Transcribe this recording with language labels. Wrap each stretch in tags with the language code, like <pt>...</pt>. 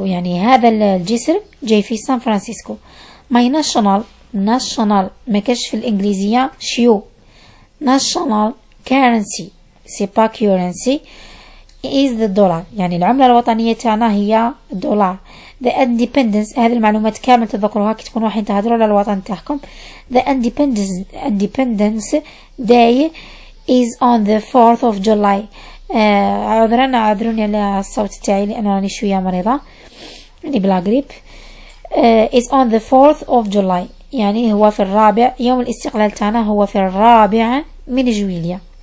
<ar>يعني هذا الجسر جاي في San Francisco.</ar> <en>My national</en> <ar>مكش في الإنجليزية شيو.</ar> <en>National currency سيبا currency is the dollar.</en> <ar>يعني العملة الوطنية تاعنا هي الدولار.</ar> <en>The independence.</en> <ar>هذه المعلومات كامل تذكروها كي تكونوا راحين تهدروا على الوطن تاعكم.</ar> <en>The independence day is on the 4th of July.</en> <ar>عذروني على الصوت تاعي لأن راني شوية مريضة. يعني بلا غريب.</ar> <en>It's on the 4th of July.</en> <ar>يعني هو في الرابع، يوم الاستقلال تاعنا هو في الرابع من جويلية.</ar>